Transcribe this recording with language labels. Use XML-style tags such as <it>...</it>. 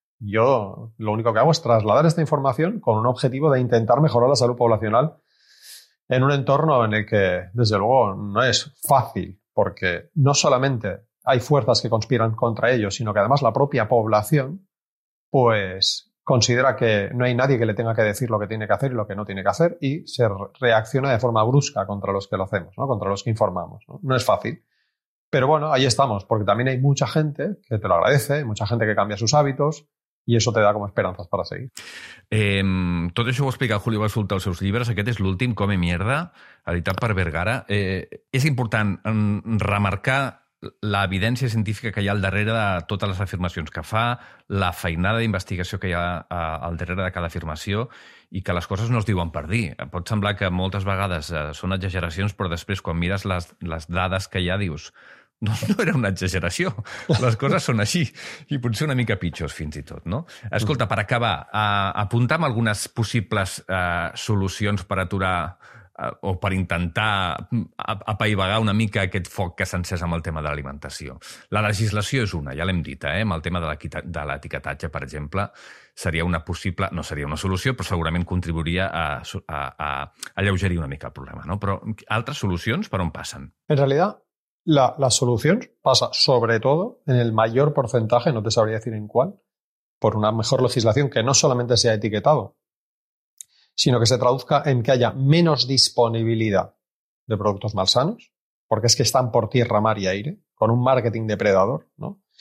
<es>Yo lo único que hago es trasladar esta información con un objetivo de intentar mejorar la salud poblacional en un entorno en el que, desde luego, no es fácil, porque no solamente hay fuerzas que conspiran contra ellos, sino que además la propia población, pues, considera que no hay nadie que le tenga que decir lo que tiene que hacer y lo que no tiene que hacer, y se reacciona de forma brusca contra los que lo hacemos, ¿no? Contra los que informamos, ¿no? No es fácil. Pero bueno, ahí estamos, porque también hay mucha gente que te lo agradece, mucha gente que cambia sus hábitos, y eso te da como esperanzas para seguir.</es> <ca>Tot això ho explica Julio Basulto als seus llibres. Aquest és l'últim, Come Mierda, editat per Vergara. És important remarcar l'evidència científica que hi ha al darrere de totes les afirmacions que fa, la feinada d'investigació que hi ha al darrere de cada afirmació, i que les coses no es diuen per dir. Pot semblar que moltes vegades són exageracions, però després, quan mires les dades que hi ha, dius... No era una exageració. Les coses són així. I potser una mica pitjors, fins i tot, no? Escolta, per acabar, apuntam algunes possibles solucions per aturar o per intentar apaivagar una mica aquest foc que s'ha encès amb el tema de l'alimentació. La legislació és una, ja l'hem dita, amb el tema de l'etiquetatge, per exemple, seria una possible, no seria una solució, però segurament contribuiria a alleugerir una mica el problema, no? Però altres solucions, per on passen? En realitat,</ca> <es>La solución pasa sobre todo, en el mayor porcentaje, no te sabría decir en cuál, por una mejor legislación que no solamente sea etiquetado, sino que se traduzca en que haya menos disponibilidad de productos malsanos, porque es que están por tierra, mar y aire, con un marketing depredador, ¿no?</es>